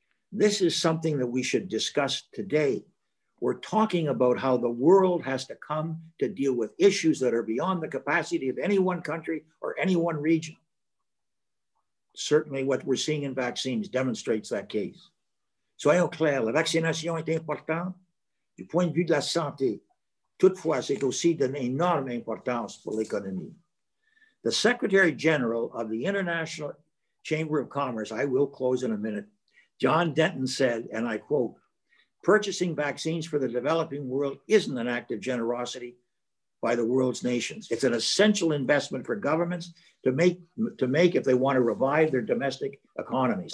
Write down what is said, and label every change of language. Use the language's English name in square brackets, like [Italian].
[English] This is something that we should discuss today. We're talking about how the world has to come to deal with issues that are beyond the capacity of any one country or any one region. Certainly what we're seeing in vaccines demonstrates that case. [French] Soyons clairs, la vaccination est importante du point de vue de la santé. Toutefois, c'est aussi d'une énorme importance pour l'économie. [English] The Secretary General of the International Chamber of Commerce, I will close in a minute, John Denton said, and I quote, "Purchasing vaccines for the developing world isn't an act of generosity by the world's nations. It's an essential investment for governments to make if they want to revive their domestic economies.